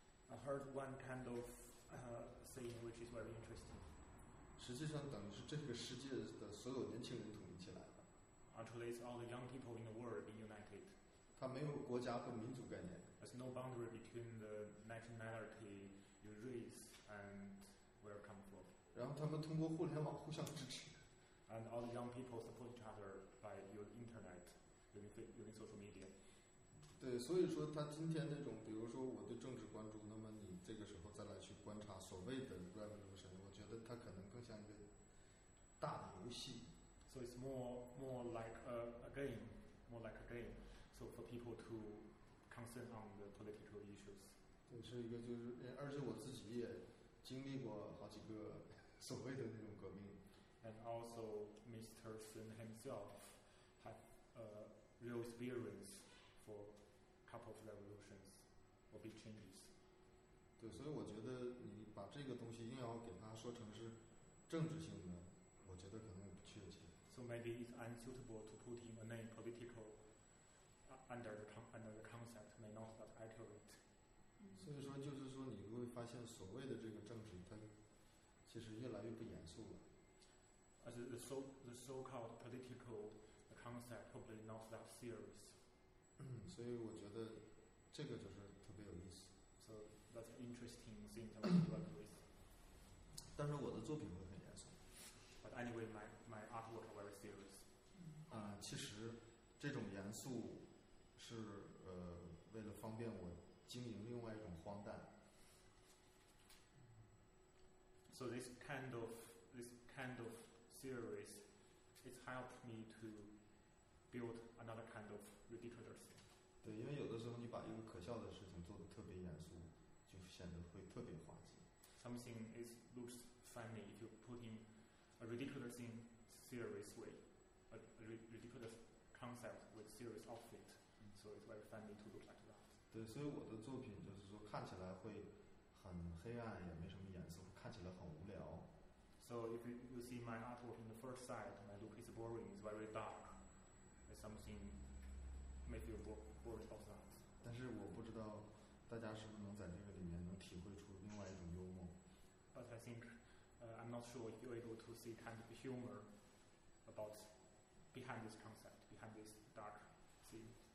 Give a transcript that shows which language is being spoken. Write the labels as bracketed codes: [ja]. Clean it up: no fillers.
[en] I heard one kind of saying which is very interesting。 [zh] 实际上等于是这个世界的所有年轻人统一起来了。 [en] Actually, it's all the young people in the world being united. [zh] 它没有国家和民族概念。 [en] There's no boundary between the nationality, your race, and where you come from. [zh] 然后他们通过互联网互相支持。 [en] And all the young people support each other by your internet, using social media. [zh] 对，所以说他今天那种，比如说我对政治关注，那么你这个时候再来去观察所谓的 revolution， 我觉得它可能更像一个大的游戏。 [en] So it's more like a game. So for people to concern on the political issues. [zh] 对，是一个就是，而且我自己也经历过好几个所谓的那种革命。 [en] And also, Mr. Sun himself had a real experience for a couple of revolutions or big changes. [zh] 对，所以我觉得你把这个东西硬要给它说成是政治性的，我觉得可能也不确切。 [en] So maybe it's unsuitable to put in a name political under the concept may not that accurate. [zh] 所以说就是说你会发现所谓的这个政治它其实越来越不严肃了。 [en] As the so-called political concept probably not that serious. [zh] 所以我觉得这个就是特别有意思。 [en] So that's interesting thing that we work with. [zh] 但是我的作品会很严肃。 [en] But anyway, my artwork are very serious. [zh] 其实这种严肃是为了方便我经营另外一种荒诞。 [en] So this kind of serious, it's helped me to build another kind of ridiculous thing. [zh] 对，因为有的时候你把一个可笑的事情做得特别严肃，就显得会特别滑稽。 [en] Something is looks funny if you put in. A ridiculous thing, serious way, a ridiculous concept with serious outfit. So it's very funny to look like that. [zh] 对，所以我的作品就是说看起来会很黑暗，也没什么颜色，看起来很无聊。 [en] So if you see my artwork in the first sight, my look is boring, it's very dark. It's something make you bored of that. [zh] 但是我不知道大家是不是能在这个里面能体会出另外一种幽默。 [en] But I think. I'm not sure if you're able to see kind of humor about behind this concept, behind this dark scene.